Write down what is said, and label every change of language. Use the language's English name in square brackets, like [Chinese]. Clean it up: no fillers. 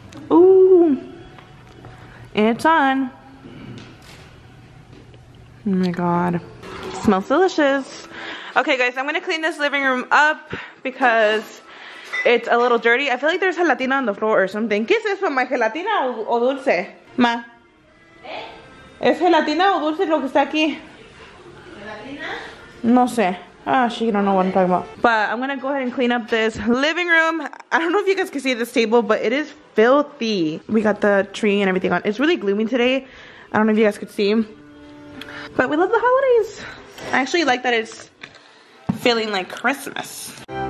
[English] Ooh. It's on. Oh my god. It smells delicious. Okay guys, I'm gonna clean this living room up because it's a little dirty. I feel like there's gelatina on the floor or something. [Spanish] ¿Qué es eso? ¿Más gelatina o dulce? Ma. ¿Eh? ¿Es gelatina o dulce lo que está aquí? ¿Gelatina? No sé. [English] Ah, she don't know what I'm talking about. But I'm gonna go ahead and clean up this living room. I don't know if you guys can see this table, but it is filthy. We got the tree and everything on. It's really gloomy today. I don't know if you guys could see. But we love the holidays. I actually like that it's feeling like Christmas.